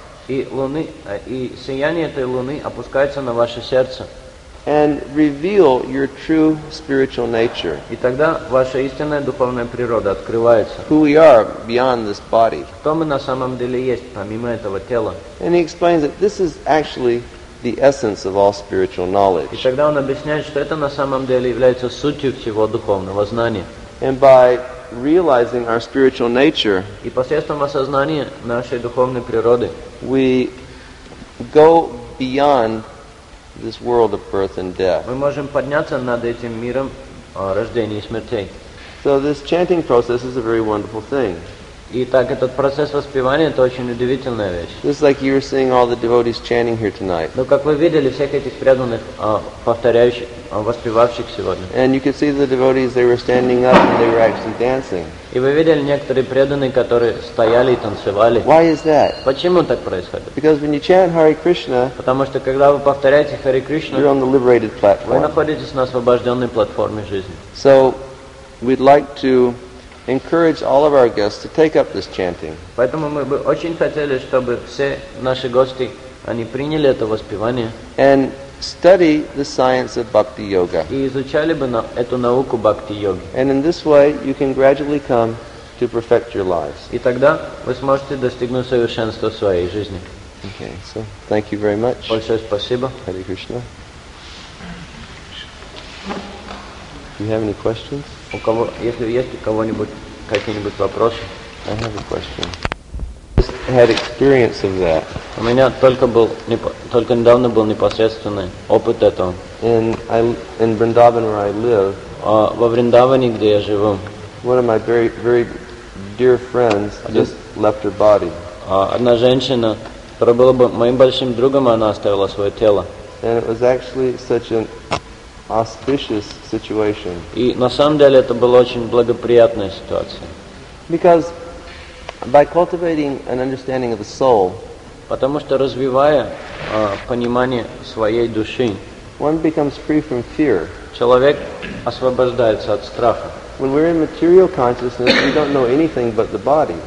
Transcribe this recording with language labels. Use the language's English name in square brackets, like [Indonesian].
[Russian] И сияние этой луны опускается на ваше сердце. [English] And reveal your true spiritual nature. [Russian] И тогда ваша истинная духовная природа открывается. [English] Who we are beyond this body. [Russian] Кто мы на самом деле есть помимо этого тела. [English] And he explains that this is actually the essence of all spiritual knowledge. [Russian] И тогда он объясняет, что это на самом деле является сутью всего духовного знания. [English] And by realizing our spiritual nature, [Russian] и посредством осознания нашей духовной природы, [English] we go beyond this world of birth and death. [Russian] Мы можем подняться над этим миром рождения и смерти. [English] So this chanting process is a very wonderful thing. [Russian] И так этот процесс воспевания это очень удивительная вещь. [English] It's like you were seeing all the devotees chanting here tonight. [Russian] Ну как вы видели всех этих преданных повторяющих воспевавших сегодня. [English] And you could see the devotees, they were standing up and they were actually dancing. [Russian] И вы видели некоторые преданные, которые стояли и танцевали. [English] Why is that? [Russian] Почему так происходит? [English] Because when you chant Hare Krishna, [Russian] потому что когда вы повторяете Hare Krishna, [English] you're on the liberated platform. [Russian] Вы находитесь на освобожденной платформе жизни. [English] So we'd like to encourage all of our guests to take up this chanting. [Russian] Поэтому мы бы очень хотели, чтобы все наши гости они приняли это воспевание. [English] And study the science of bhakti yoga. [Russian] И изучали бы эту науку бхакти йоги. [English] And in this way, you can gradually come to perfect your lives. [Russian] И тогда вы сможете достигнуть совершенства в своей жизни. [English] Okay, so thank you very much. [Russian] Большое спасибо. [English] Hare Krishna. Do you have any questions? [Russian] У кого, если есть у кого-нибудь какие-нибудь вопросы? [English] I have a question. I just had experience of that. [Russian] У меня только недавно был непосредственный опыт этого. [English] In Vrindavan where I live. [Russian] Во Вриндаване, где я живу. [English] One of my very very dear friends just left her body. [Russian] Одна женщина, которая была бы моим большим другом, она оставила свое тело. [English] And it was actually such an auspicious situation. [Russian] И на самом деле это была очень благоприятная ситуация. [English] Because by cultivating an understanding of the soul, [Russian] потому что развивая понимание своей души, [English] one becomes free from fear. [Russian] Человек освобождается от страха. [English] When we're in material consciousness, we don't know anything but the body.